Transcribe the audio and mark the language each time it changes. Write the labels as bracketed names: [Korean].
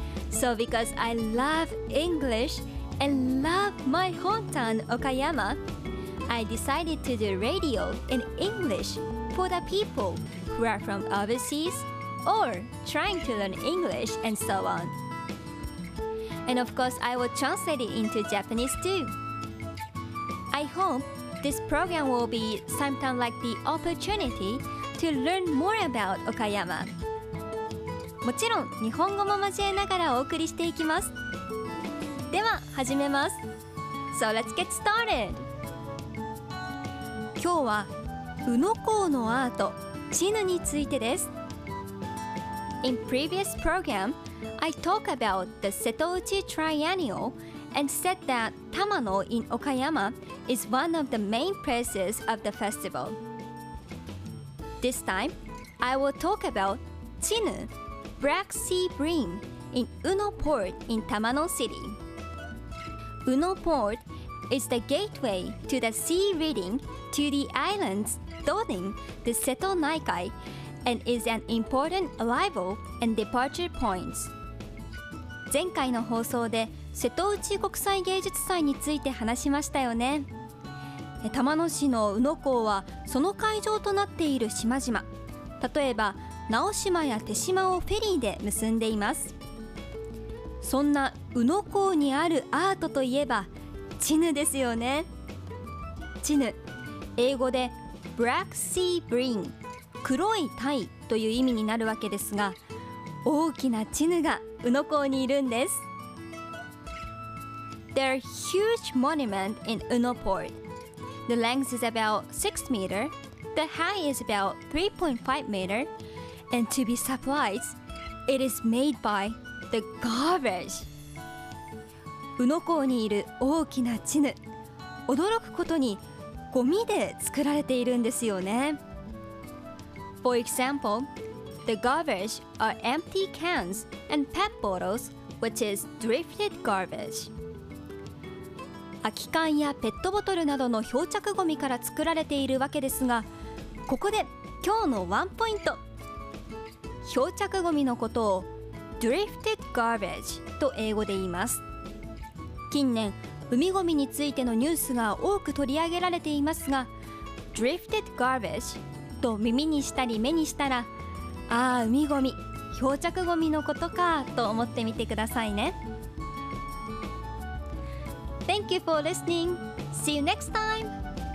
[English] So because I love English and love my hometown Okayama, I decided to do radio in English for the people who are from overseas or trying to learn English and so on. And of course, I will translate it into Japanese too. I hope this program will be sometime like the opportunity to learn more about Okayama. [Japanese] もちろん日本語も交えながらお送りしていきます。では始めます。 [English] So let's get started! [Japanese] 今日は宇野港のアート、チヌについてです。 [English] In previous program, I talked about the Setouchi Triennial and said that Tamano in Okayama is one of the main places of the festival. This time, I will talk about Chinu, Black Sea Bream, in Uno Port in Tamano City. Uno Port is the gateway to the sea reading to the islands dotting the Seto Naikai and is an important arrival and departure point. [Japanese] 前回の放送で瀬戸内国際芸術祭について話しましたよね。玉野市の宇野港はその会場となっている島々、例えば直島や手島をフェリーで結んでいます。そんな宇野港にあるアートといえばチヌですよね。チヌ、英語で Black Sea Bream、 黒い鯛という意味になるわけですが、大きなチヌが宇野港にいるんです。 [English] There are huge monument in Uno Port. The length is about 6 meter, the height is about 3.5 meter, and to be surprised, it is made by the garbage. [Japanese] 宇野港にいる大きなチヌ、驚くことにゴミで作られているんですよね。 [English] For example,The garbage are empty cans and pet bottles, which is drifted garbage. [Japanese] 空き缶やペットボトルなどの漂着ごみから作られているわけですが、ここで今日のワンポイント。漂着ごみのことを [English] drifted garbage [Japanese] と英語で言います。近年、海ごみについてのニュースが多く取り上げられていますが、 [English] drifted garbage [Japanese] と耳にしたり目にしたら、ああ海ごみ、漂着ごみのことかと思ってみてくださいね。 [English] Thank you for listening. See you next time.